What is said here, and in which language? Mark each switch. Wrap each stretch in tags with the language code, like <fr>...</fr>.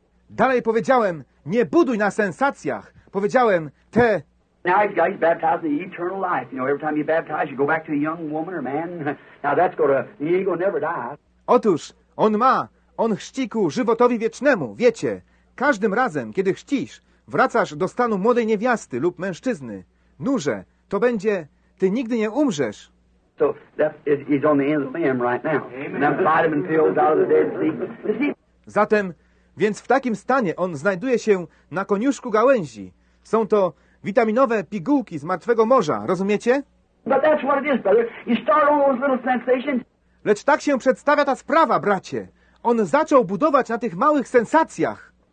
<pl>Dalej powiedziałem, nie buduj na sensacjach. Powiedziałem, te...</pl> <en>Now he's baptized in the eternal life. You know, every time you baptize, you go back to a young woman or man. Now that's going to... He'll never die.</en> <pl>Otóż, on ma... On chrzci ku żywotowi wiecznemu, wiecie. Każdym razem, kiedy chrzcisz, wracasz do stanu młodej niewiasty lub mężczyzny. Nurze, to będzie... Ty nigdy nie umrzesz.</pl> <en>So, that's... He's on the end of the limb right now. Amen. Now, vitamin pills out of the dead sea.</en> <pl>Zatem... Więc w takim stanie on znajduje się na koniuszku gałęzi. Są to witaminowe pigułki z martwego morza, rozumiecie?</pl> <en>But that's what it is, brother. You start on those little sensations.</en> <pl>Lecz tak się przedstawia ta sprawa, bracie. On zaczął budować na tych małych sensacjach.</pl>